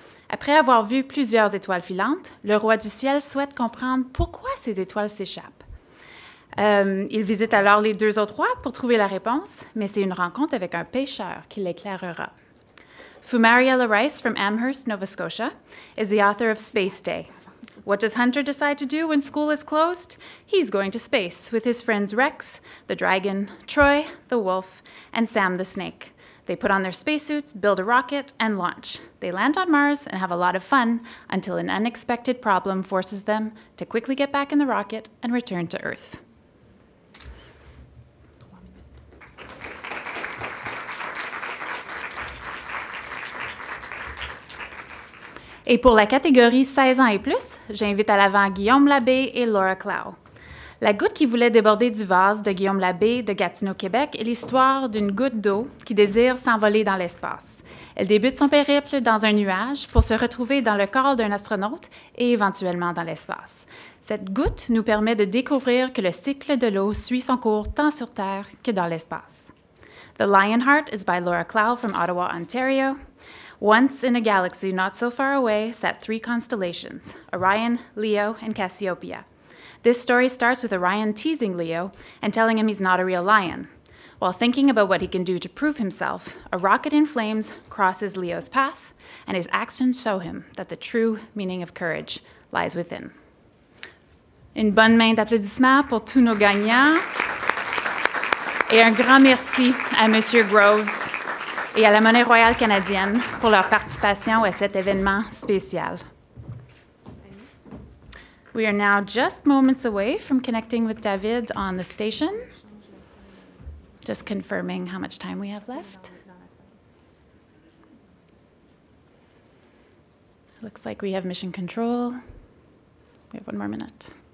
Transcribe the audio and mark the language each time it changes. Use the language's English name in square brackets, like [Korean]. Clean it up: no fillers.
[French] Après avoir vu plusieurs étoiles filantes, le roi du ciel souhaite comprendre pourquoi ces étoiles s'échappent. Il visite alors les deux autres rois pour trouver la réponse, mais c'est une rencontre avec un pêcheur qui l'éclairera. [English] Fumaria Lerice from Amherst, Nova Scotia, is the author of Space Day. What does Hunter decide to do when school is closed? He's going to space with his friends Rex, the dragon, Troy, the wolf, and Sam, the snake. They put on their spacesuits, build a rocket, and launch. They land on Mars and have a lot of fun until an unexpected problem forces them to quickly get back in the rocket and return to Earth. [French] Et pour la catégorie 16 ans et plus, j'invite à l'avant Guillaume Labbé et Laura Clow. La goutte qui voulait déborder du vase de Guillaume Labbé de Gatineau, Québec, est l'histoire d'une goutte d'eau qui désire s'envoler dans l'espace. Elle débute son périple dans un nuage pour se retrouver dans le corps d'un astronaute et éventuellement dans l'espace. Cette goutte nous permet de découvrir que le cycle de l'eau suit son cours tant sur Terre que dans l'espace. [English] The Lionheart is by Laura Clow from Ottawa, Ontario. Once in a galaxy not so far away sat three constellations, Orion, Leo, and Cassiopeia. This story starts with Orion teasing Leo and telling him he's not a real lion. While thinking about what he can do to prove himself, a rocket in flames crosses Leo's path, and his actions show him that the true meaning of courage lies within. [French] Une bonne main d'applaudissements pour tous nos gagnants. Et un grand merci à Monsieur Groves et à la Monnaie royale canadienne pour leur participation à cet événement spécial. [English] We are now just moments away from connecting with David on the station. Just confirming how much time we have left. Looks like we have mission control. We have one more minute.